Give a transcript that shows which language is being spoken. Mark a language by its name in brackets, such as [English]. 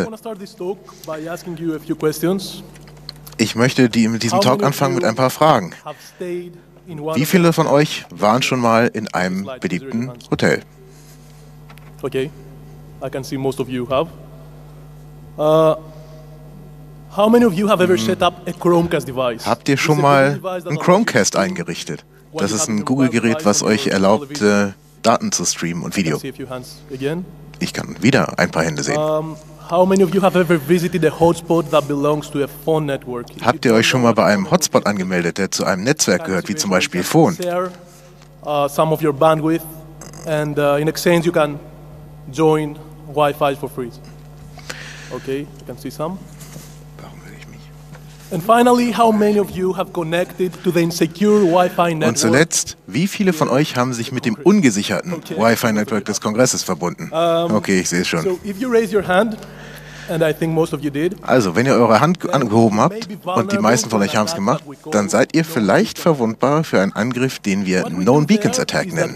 [English] I want to start this talk by asking you a few questions. [German] Ich möchte mit diesem Talk anfangen mit ein paar Fragen. Wie viele von euch waren schon mal in einem beliebten Hotel? [English] Okay, I can see most of you have. How many of you have ever set up a Chromecast device? [German] Habt ihr schon mal ein Chromecast eingerichtet? Das ist ein Google-Gerät, was euch erlaubt, Daten zu streamen und Video. Ich kann wieder ein paar Hände sehen. [English] How many of you have ever visited a hotspot that belongs to a phone network? [German] Habt ihr euch schon mal bei einem Hotspot angemeldet, der zu einem Netzwerk gehört, wie zum Beispiel Phone? [English] Some of your bandwidth, and in exchange you can join Wi-Fi for free. Okay, you can see some. [German] Warum will ich mich? [English] And finally, how many of you have connected to the insecure Wi-Fi network? [German] Und zuletzt, wie viele von euch haben sich mit dem ungesicherten Wi-Fi-Network des Kongresses verbunden? Okay, ich sehe es schon. [English] So if you raise your hand, and I think most of you did. [German] Also, wenn ihr eure Hand angehoben habt und die meisten von euch haben es gemacht, dann seid ihr vielleicht verwundbar für einen Angriff, den wir Known Beacons Attack nennen.